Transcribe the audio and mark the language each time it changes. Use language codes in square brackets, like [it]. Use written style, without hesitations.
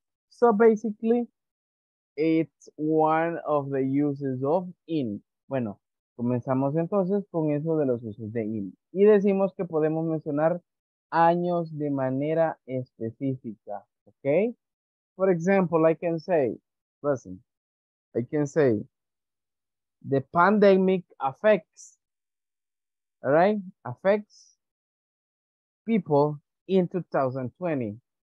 [en] So basically, it's one of the uses of in. [es] Bueno, comenzamos entonces con eso de los usos de in. Y decimos que podemos mencionar años de manera específica. [en] Okay? For example, I can say, listen, I can say, the pandemic affects, all right, affects people in 2020.